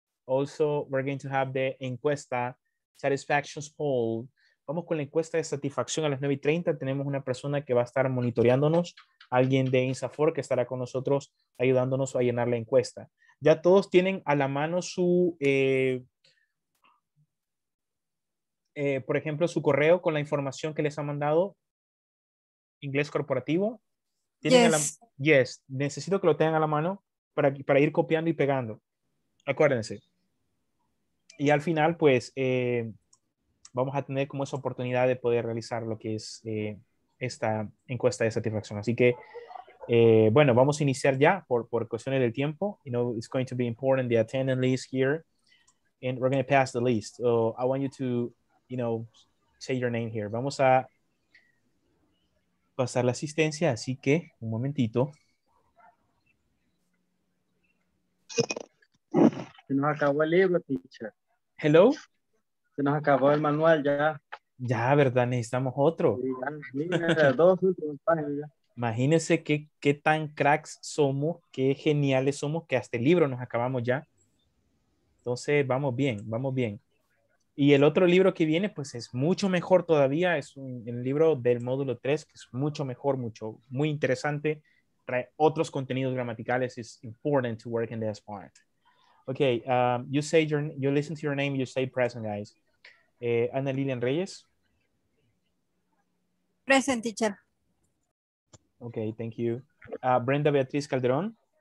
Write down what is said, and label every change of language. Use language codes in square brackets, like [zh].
[en] Also, we're going to have the encuesta, satisfaction poll. [es] Vamos con la encuesta de satisfacción a las 9:30. Tenemos una persona que va a estar monitoreándonos, alguien de INSAFOR que estará con nosotros ayudándonos a llenar la encuesta. Ya todos tienen a la mano su, por ejemplo, su correo con la información que les ha mandado Inglés Corporativo. [en] Yes. Yes, [es] necesito que lo tengan a la mano para ir copiando y pegando. Acuérdense. Y al final, pues, vamos a tener como esa oportunidad de poder realizar lo que es esta encuesta de satisfacción. Así que, bueno, vamos a iniciar ya por cuestiones del tiempo. [en] You know, it's going to be important, the attendance list here. And we're going to pass the list. So I want you to, you know, say your name here. [es] Vamos a pasar la asistencia, así que un momentito. Se nos acabó el libro, teacher. [en] Hello. [es] Se nos acabó el manual ya. Ya, ¿verdad? Necesitamos otro. Sí, ya. Dos últimos páginas. Imagínense qué tan cracks somos, qué geniales somos, que hasta el libro nos acabamos ya. Entonces, vamos bien, vamos bien. Y el otro libro que viene, pues es mucho mejor todavía. Es el libro del módulo 3, que es mucho mejor, mucho, muy interesante. Trae otros contenidos gramaticales. [en] It's important to work in this part. Okay, you say your, you listen to your name, you say present, guys. Ana Lilian Reyes. Present, teacher. Okay, thank you. Brenda Beatriz Calderón.